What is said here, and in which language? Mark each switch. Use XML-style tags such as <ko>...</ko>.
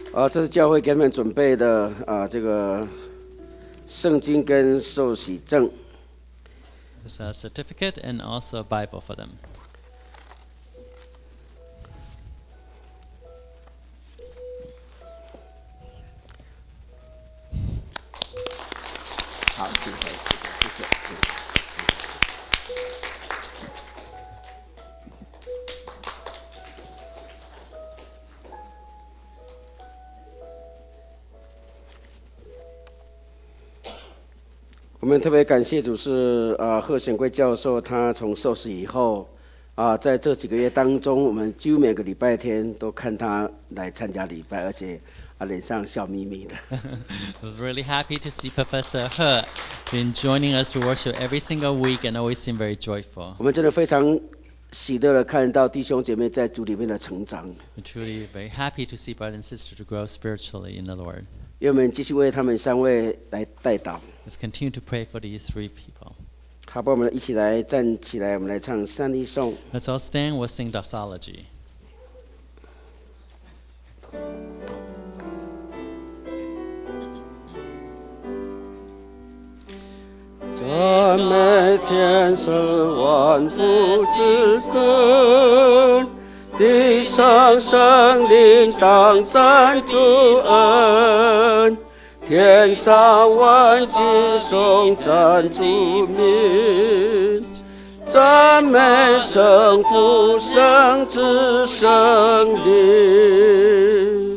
<zh>这是教会给你们准备的、这个圣经跟受洗证。</zh> <en>It's a certificate and also a Bible for them.</en> <zh>好，请回，谢谢，谢谢。我们特别感谢主是、贺显贵教授，他从受洗以后、在这几个月当中，我们几乎每个礼拜天都看他来参加礼拜，而且、脸上笑眯眯的。</zh> <en>Really happy to see Professor He been joining us to worship every single week and always seem very joyful.</en> <zh>我们真的非常喜乐的看到弟兄姐妹在主里面的成长。</zh> <en>We're truly very happy to see brothers and sisters to grow spiritually in the Lord.</en> <zh>愿我们继续为他们三位来代祷。</zh> <en>Let's continue to pray for these three people.</en> <zh>好，我们一起来站起来，我们来唱三一颂。</zh> <en>Let's all stand. We'll sing doxology.</en> <zh>赞美天使万族之歌，地上圣灵当赞主恩，天上万子颂赞主名，赞美圣父圣子圣灵。</zh>